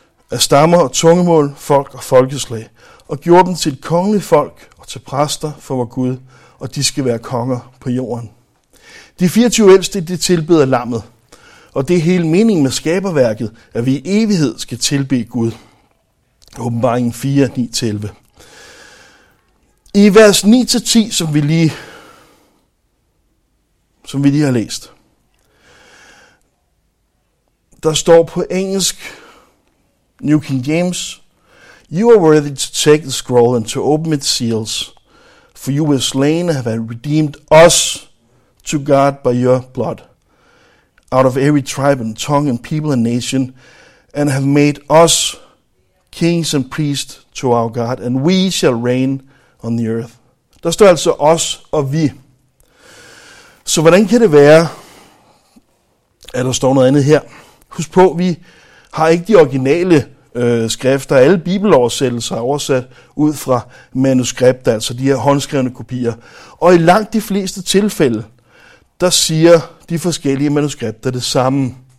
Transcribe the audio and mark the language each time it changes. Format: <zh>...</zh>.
<da>Af stammer og tungemål, folk og folkeslag, og gjorde dem til et kongeligt folk og til præster for vor Gud, og de skal være konger på jorden. De 24 ældste, de tilbeder lammet, og det er hele meningen med skaberværket, at vi i evighed skal tilbede Gud. Åbenbaringen 4, 9-11. I vers 9-10, som vi lige har læst, der står på engelsk,</da> <en>New King James, "You are worthy to take the scroll and to open its seals, for you were slain and have redeemed us to God by your blood, out of every tribe and tongue and people and nation, and have made us kings and priests to our God, and we shall reign on the earth."</en> <da>Der står altså os og vi. Så hvordan kan det være, at der står noget andet her? Husk på, vi har ikke de originale skrifter, alle bibeloversættelser er oversat ud fra manuskripter, altså de her håndskrevne kopier. Og i langt de fleste tilfælde, der siger de forskellige manuskripter det samme.</da>